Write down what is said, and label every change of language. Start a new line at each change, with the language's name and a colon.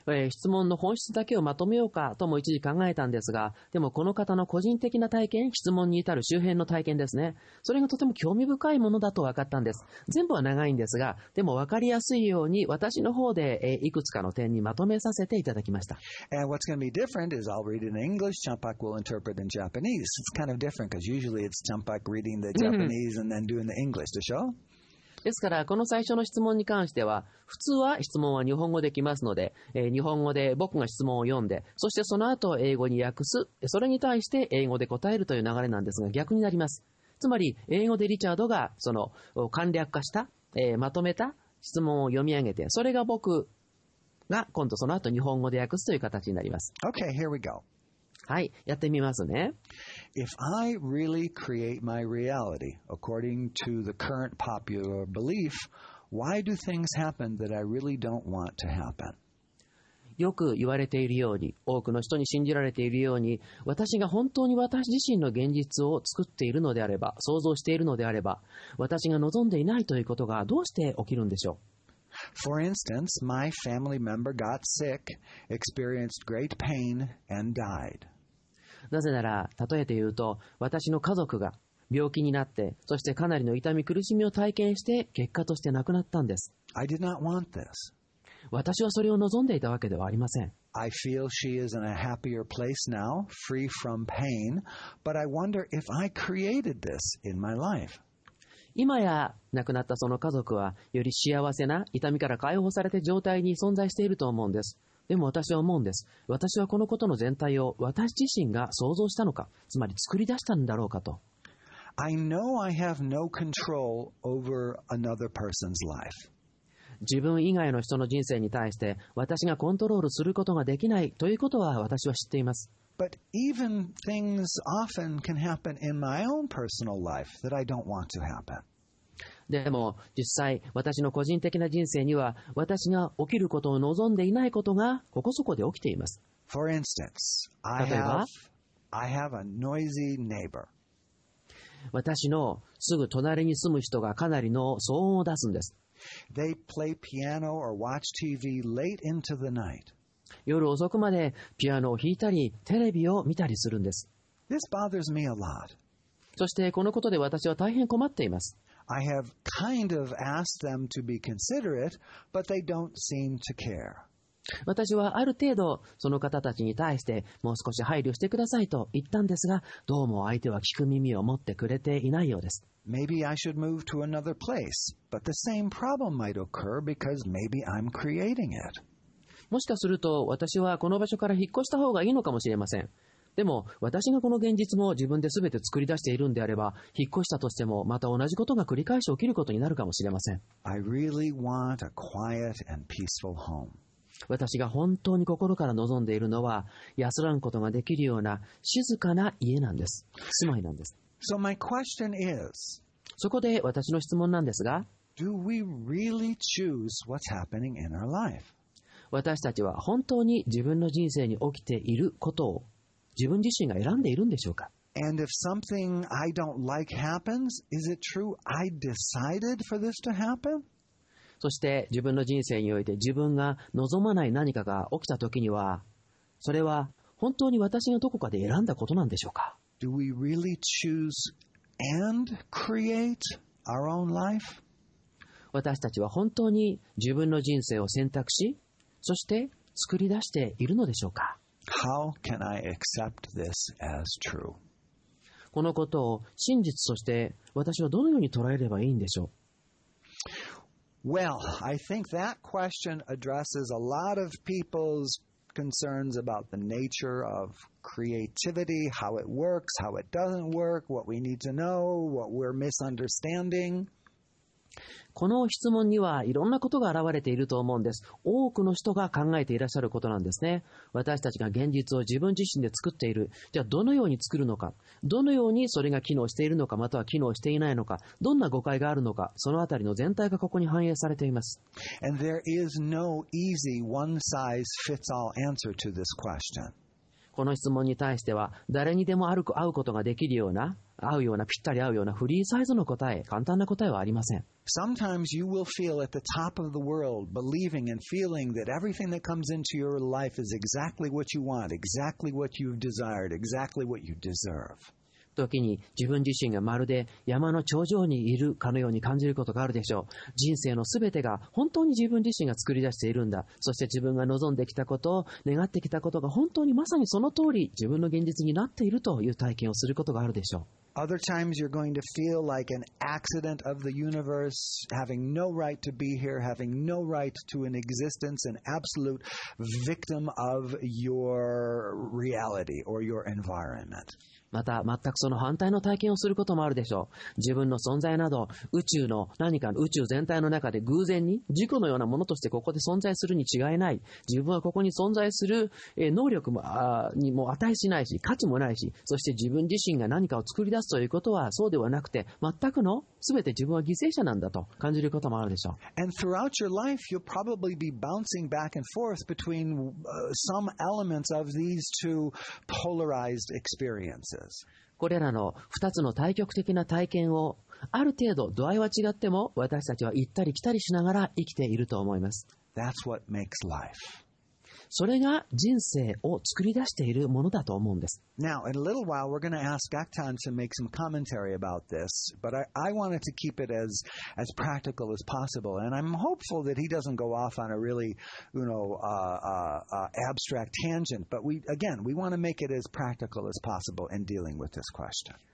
Japanese: 質問の本質だけをまとめようかとも一時考えたんですが、でもこの方の個人的な体験、質問に至る周辺の体験ですね。それがとても興味深いものだと分かったんです。全部は長いんですが、でも分かりやすいように私の方でいくつかの点にまとめさせていただきました。
English: And what's going to be different is I'll read in English, Champak will interpret in Japanese. It's kind of different because usually it's Champak reading the Japanese and then doing the English,
Japanese: でしょ? ですからこの最初の質問に関しては普通は質問は日本語できますので、日本語で僕が質問を読んで、そしてその後英語に訳す、それに対して英語で答えるという流れなんですが逆になります。つまり英語でリチャードがその簡略化した、まとめた質問を読み上げて、それが僕が今度その後日本語で訳すという形になります。
English: OK, here we go.
Japanese: はい、やってみますね。
English: If I really create my reality according to the current popular belief, why do things happen that I really don't want to happen?
Japanese: よく言われているように、多くの人に信じられているように、私が本当に私自身の現実を作っているのであれば、想像しているのであれば、私が望んでいないということがどうして起きるんでしょう?
English: For instance, my family member got sick, experienced great pain, and died.
Japanese: なぜなら、例えて言うと、私の家族が病気になって、そしてかなりの痛み、苦しみを体験して、結果として亡くなったんです。
English: I did not want this.
Japanese: 私はそれを望んでいたわけではありません。
English: I feel she is in a happier place now, free from pain, but I wonder if I created this in my life.
Japanese: 今や亡くなったその家族は、より幸せな痛みから解放されて状態に存在していると思うんです。でも私は思うんです。私はこのことの全体を私自身が想像したのか、つまり作り出したんだろうかと。
English: I know I have no control over another person's life.
Japanese: 自分以外の人の人生に対して私がコントロールすることができないということは私は知っています。
English: But even things often can happen in my own personal life that I don't want to happen.
Japanese: でも実際私の個人的な人生には私が起きることを望んでいないことがここそこで起きています。
English: For instance,
Japanese: 例えば
English: I have a noisy neighbor.
Japanese: 私のすぐ隣に住む人がかなりの騒音を出すんです。
English: They play piano or watch TV late into the night.
Japanese: 夜遅くまでピアノを弾いたりテレビを見たりするんです。
English: This bothers me a lot.
Japanese: そしてこのことで私は大変困っています。
English: I have kind of asked them to be considerate, but they don't seem to care.
Japanese: 私はある程度その方たちに対してもう少し配慮してくださいと言ったんですが、どうも相手は聞く耳を持ってくれていないようです。
English: Maybe I should move to another place, but the same problem might occur because maybe I'm creating it.
Japanese: もしかすると私はこの場所から引っ越した方がいいのかもしれません。でも私がこの現実も自分で全て作り出しているんであれば、引っ越したとしてもまた同じことが繰り返し起きることになるかもしれません。
English: I really want a quiet and peaceful home.
Japanese: 私が本当に心から望んでいるのは、安らぐことができるような静かな家なんです。住まいなんです。
English: So、my question is,
Japanese: そこで私の質問なんですが、
English: Do we really choose what's happening in our life?
Japanese: 私たちは本当に自分の人生に起きていることを自分自身が選んでいるんでしょうか?
English: And if something I don't like happens, is it true I decided for this to happen?
Japanese: そして自分の人生において自分が望まない何かが起きたときには、それは本当に私がどこかで選んだことなんでしょうか。
English: Do we really choose and create our own life?
Japanese: 私たちは本当に自分の人生を選択し、そして作り出しているのでしょうか。
English: How can I accept this as true?
Japanese: このことを真実として私はどのように捉えればいいんでしょう。
English: Well, I think that question addresses a lot of people's concerns about the nature of creativity, how it works, how it doesn't work, what we need to know, what we're misunderstanding.
Japanese: この質問にはいろんなことが現れていると思うんです。多くの人が考えていらっしゃることなんですね。私たちが現実を自分自身で作っている。じゃあどのように作るのか、どのようにそれが機能しているのか、または機能していないのか、どんな誤解があるのか、そのあたりの全体がここに反映されています。
English: And there is no easy one-size-fits-all answer to this question.
Japanese: この質問に対しては、誰にでも会うことができるような、合うようなぴったり合うようなフリーサイズの答え、簡単な答えはありません。
English: Sometimes you will feel at the top of the world, believing and feeling that everything that comes into your life is exactly what you want, exactly what you've desired, exactly what you deserve.
Japanese: 時に自分自身がまるで山の頂上にいるかのように感じることがあるでしょう。人生のすべてが本当に自分自身が作り出しているんだ。そして自分が望んできたことを願ってきたことが本当にまさにその通り自分の現実になっているという体験をすることがあるでしょう。
English: Other times you're going to feel like an accident of the universe, having no right to be here, having no right to an existence, an absolute victim of your reality or your environment.
Japanese: また全くその反対の体験をすることもあるでしょう。自分の存在など宇宙の何か宇宙全体の中で偶然に事故のようなものとしてここで存在するに違いない。自分はここに存在する能力もにも値しないし価値もないし、そして自分自身が何かを作り出すということはそうではなくて、全くの全て自分は犠牲者なんだと感じることもあるでしょう。
English: And throughout your life, you'll probably be bouncing back and forth between some elements of these two polarized experiences.
Japanese: これらの2つの対極的な体験をある程度度合いは違っても私たちは行ったり来たりしながら生きていると思います。
English: That's what makes life.
Japanese: それが人生を作り出しているものだと思うんです。
English: Now, in a little while, we're going to ask Gaktan to make some commentary about this, but I wanted to keep it as practical as possible, and I'm hopeful that he doesn't go off on a really, you know, abstract tangent, but we want to make it as practical as possible in dealing with this question.